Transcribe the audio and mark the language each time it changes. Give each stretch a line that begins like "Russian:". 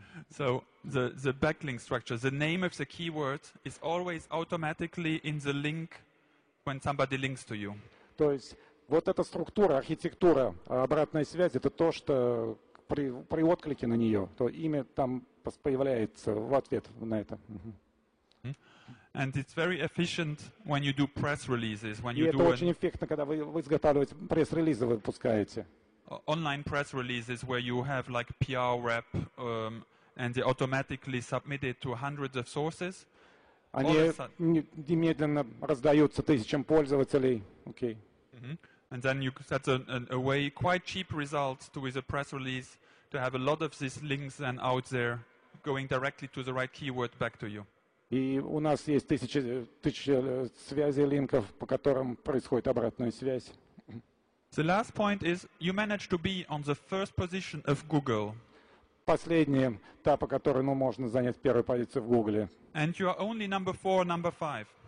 English: So the backlink structure, the name of the keyword is always automatically in the link when somebody links to you.
Russian: То есть вот эта структура, архитектура обратной связи, это то, что при отклике на нее, то имя там появляется в ответ на это.
English: And it's very efficient when you do press releases. When you
Russian: и это очень эффектно, когда вы изготавливаете пресс-релизы, вы выпускаете.
English: Online press releases where you have like PR rep and they automatically submit it to hundreds of sources.
Russian: Они немедленно раздаются тысячам пользователей.
English: Okay. Mm-hmm. And then you set a way quite cheap results to with a press release to have a lot of these links then out there going directly to the right keyword back to you.
Russian: И у нас есть тысячи связей линков, по которым происходит обратная связь.
English: The last point is you managed to be on the first position of Google.
Russian: Последнее, та, по которой можно занять первую позицию в Google.
English: And you are only number four, number five.